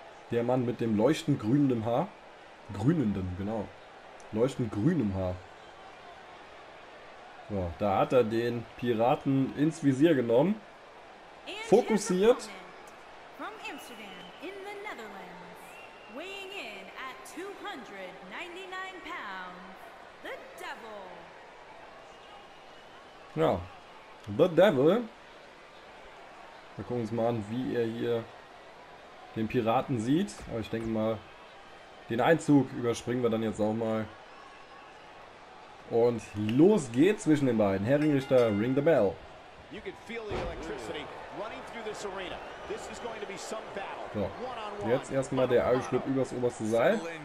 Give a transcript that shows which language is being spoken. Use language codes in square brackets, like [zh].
[de] Der Mann mit dem leuchtend grünen Haar. Grünenden, genau. Leuchtend grünem Haar. So, da hat er den Piraten ins Visier genommen. Fokussiert. [en] From Amsterdam in the Netherlands, weighing in at 299 pounds, the devil. [de] Ja, the devil. Wir gucken uns mal an, wie er hier den Piraten sieht. Aber ich denke mal, den Einzug überspringen wir dann jetzt auch mal. Und los geht's zwischen den beiden. Herr Ringrichter, [en] ring the bell. You can feel the electricity running through this arena. This is going to be some battle. [de] So, jetzt erstmal der Eierschlupf übers oberste Seil.